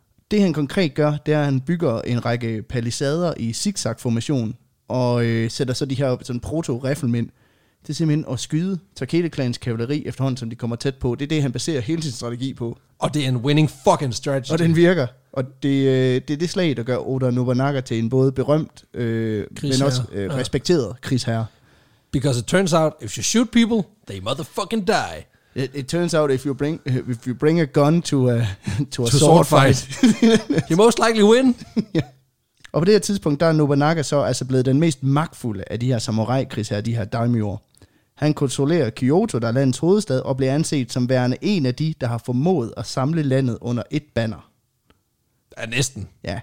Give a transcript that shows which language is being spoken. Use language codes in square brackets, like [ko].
[da] Det han konkret gør, det er, at han bygger en række palisader i zigzag-formation, og sætter så de her sådan proto-riflemænd til simpelthen at skyde Takeda-klans kavaleri efterhånden, som de kommer tæt på. Det er det, han baserer hele sin strategi på. Og det er en [en] winning fucking strategy. [da] Og den virker. Og det er det slag, der gør Oda Nobunaga til en både berømt, men også respekteret krigsherre. [en] Because it turns out, if you shoot people, they motherfucking die. It turns out, if you bring a gun to a sword fight. You most likely win. [da] Og på det her tidspunkt, der er Nobunaga så altså blevet den mest magtfulde af de her samurai-krigsherrer, de her daimyoer. Han kontrollerer Kyoto, der er landets hovedstad, og bliver anset som værende en af de, der har formået at samle landet under et banner. Ja, næsten. Ja.